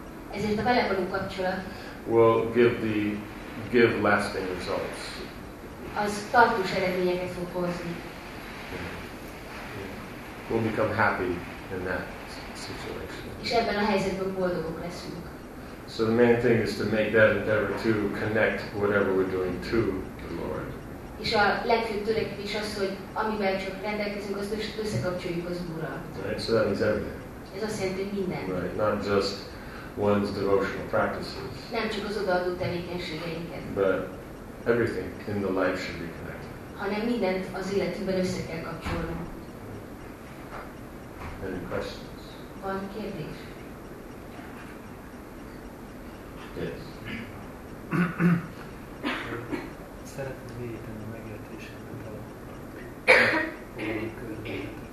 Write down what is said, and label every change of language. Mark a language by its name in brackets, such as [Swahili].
[Hungarian] ezért a vele való kapcsolat [English] will give lasting results. [Hungarian] Az tartós eredményeket fog hozni. [English] We'll become happy in that situation. [Hungarian] És ebben a helyzetben boldogok leszünk. [English] So the main thing is to make that endeavor to connect whatever we're doing to the Lord. [Hungarian] És a legfőbb törekvés az, hogy amivel csak rendelkezünk, azt összekapcsoljuk az Úrral. [English] Right, so that means everything. [Hungarian] Ez azt jelenti, hogy minden. [English] Right, not just one's devotional practices. [Hungarian] Nem csak az odaadó tevékenységeinket. [English] But everything in the life should be connected. [Hungarian] Hanem mindent az életünkben össze kell kapcsolnunk. [English] Any questions? [Hungarian] Van kérdés? [English] Yes. [Hungarian] Szeretném védeni a megértésemet a körülményeket.